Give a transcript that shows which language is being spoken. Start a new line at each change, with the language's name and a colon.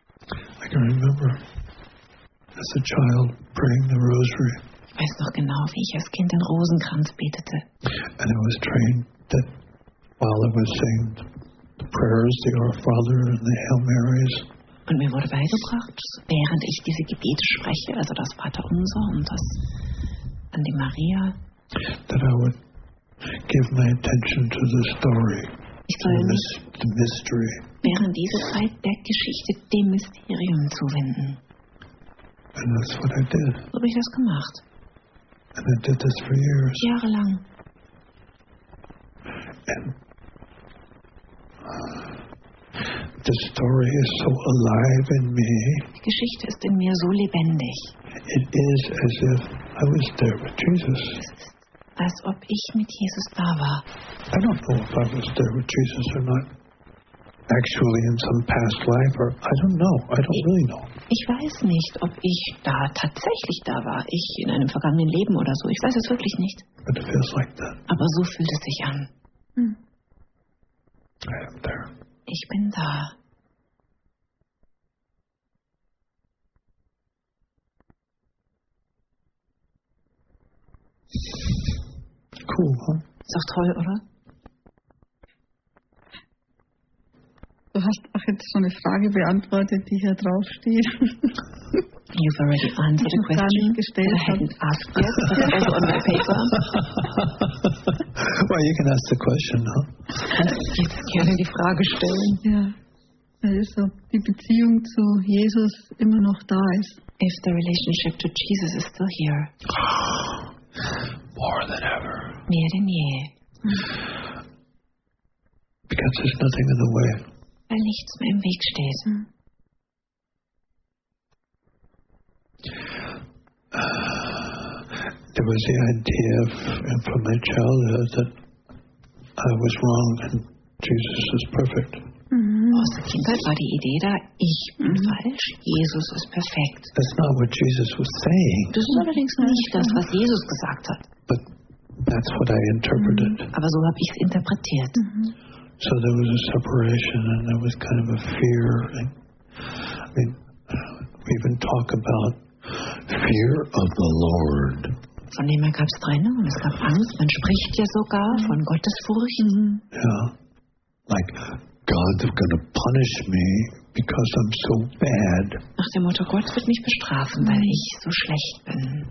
English: I can remember as a child praying the rosary.
German: Ich weiß noch genau, wie ich als Kind den Rosenkranz betete.
English: And I was trained that while I was saying the prayers, the Our Father and the Hail Marys.
German: Und mir wurde beigebracht, während ich diese Gebete spreche, also das Vaterunser und das an die Maria,
English: that I would give my attention to the story.
German: Ich soll mich
English: the mystery.
German: Während dieser Zeit der Geschichte dem Mysterium zuwenden.
English: And that's what I did.
German: So habe ich das gemacht.
English: And I did this for years.
German: Jahrelang.
English: And the story is so alive in me.
German: Die Geschichte ist in mir so lebendig.
English: It is as if I was there with Jesus.
German: Als ob ich mit Jesus da war.
English: I don't know if I was there with Jesus or not. Actually in some past life or I don't know. I don't really know.
German: Ich weiß nicht, ob ich da tatsächlich da war. Ich in einem vergangenen Leben oder so. Ich weiß es wirklich nicht.
English: But it feels like that.
German: Aber so fühlt es sich an.
English: I am there.
German: Ich bin da.
English: Cool, huh?
German: Ist doch toll, oder? Du hast auch jetzt schon eine Frage beantwortet, die hier drauf steht.
English: You've already answered a question.
German: Ich habe gestellt.
English: I hadn't asked yet. Also on my paper. Well, you can ask the question, huh?
German: Jetzt gerne die Frage stellen. Ja. Also die Beziehung zu Jesus immer noch da ist.
English: If the relationship to Jesus is still here. More than ever.
German: Mehr denn je.
English: Because there's nothing in the way.
German: Weil nichts mehr im Weg steht.
English: There was the idea from my childhood that I was wrong and Jesus is perfect.
German: Aus der Kindheit war die Idee da, ich bin falsch, Jesus ist perfekt.
English: That's not what Jesus was saying.
German: Das ist allerdings nicht das, was Jesus gesagt hat.
English: But that's what I interpreted.
German: Aber so habe ich es interpretiert.
English: So there was a separation and there was kind of a fear. I mean, we even talk about fear of the Lord.
German: Von dem her gab es Trennung und es gab Angst. Man spricht ja sogar von Gottes Furcht.
English: Yeah. Like, God's gonna punish me because I'm so bad.
German: Nach dem Motto, Gott wird mich bestrafen, weil ich so schlecht bin.